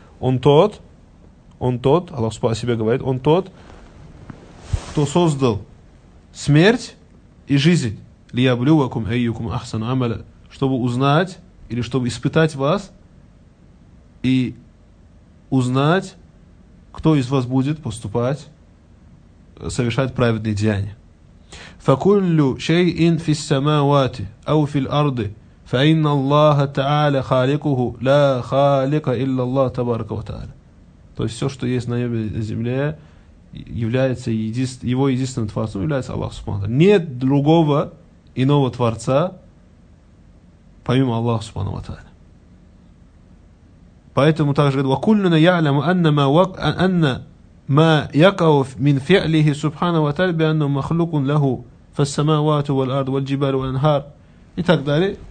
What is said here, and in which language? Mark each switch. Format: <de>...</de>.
<ru>Он тот, Аллах Субхану о себе говорит, он тот, кто создал смерть и жизнь.</ru> <ar>لِيَبْلُوَكُمْ أَيُّكُمْ أَحْسَنُ عَمَلًا.</ar> <ru>Чтобы узнать, или чтобы испытать вас, и узнать, кто из вас будет поступать, совершать праведные деяния.</ru> <ar>فَكُلُّ شَيْءٍ فِي السَّمَاوَاتِ أَوْ فِي الْأَرْضِ فإن الله تعالى خالقه لا خالق إلا الله تبارك وتعالى.</ar> <ru>То есть все, что есть на небе и на земле, является его единственным творцом, является Аллах Субхану ва Тааля. Нет другого иного творца, помимо Аллаха Субхану ва Тааля. Поэтому также говорит:</ru> <ar>وَكُلُّنَا يَعْلَمُ أَنَّ مَا يَقَعُ مِنْ فِعْلِهِ سُبْحَانَهُ وَتَعَالَى بِأَنَّهُ مَخْلُوقٌ لَهُ فَالسَّمَاوَاتُ وَالْأَرْضُ وَالْجِبَالُ وَالْأَنْهَارُ.</ar> <ru>И так далее.</ru>